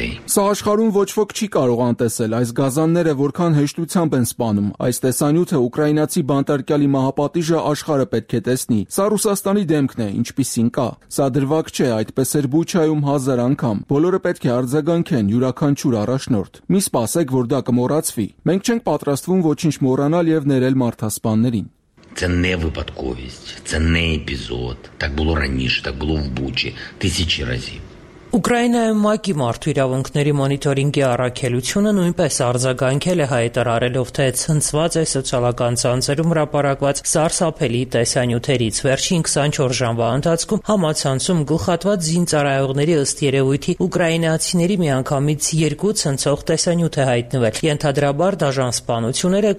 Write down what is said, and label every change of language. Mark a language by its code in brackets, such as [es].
[hy] Սա աշխարհում ոչ ոք չի կարող անտեսել, այս գազանները որքան հեշտությամբ են սպանում։ Այս տեսանյութը ուկրաինացի բանտարկյալի մահապատիժը աշխարհը պետք է տեսնի։ Սա Ռուսաստանի դեմքն է, ինչպիսին կա։ Սա դրվակ չէ, այդպես էր Բուչայում հազար անգամ։ Բոլորը պետք է արձագանքեն յուրաքանչյուր առաջնորդ։ Մի սպասեք, որ դա կմոռացվի։ Մենք չենք պատրաստվում ոչինչ մոռանալ և ներել մարդասպաններին։ [uk] Це не випадковість, це не епізод. Так було раніше, так було в Бучі тисячі разів. [hy] Ուկրաինայում ՄԱԿ-ի մարդու իրավունքների մոնիտորինգի առաքելությունը նույնպես արձագանքել է, հայտարարելով, թե ցնցված է սոցիալական ցանցերում հրապարակված սարսափելի տեսանյութերից։ Վերջին 24 ժամվա ընթացքում համացանցում գլխատված զինծառայողների ըստ երևույթի ուկրաինացիների միանգամից երկու ցնցող տեսանյութ է հայտնվել։ Ենթադրաբար դաժանսպանությունները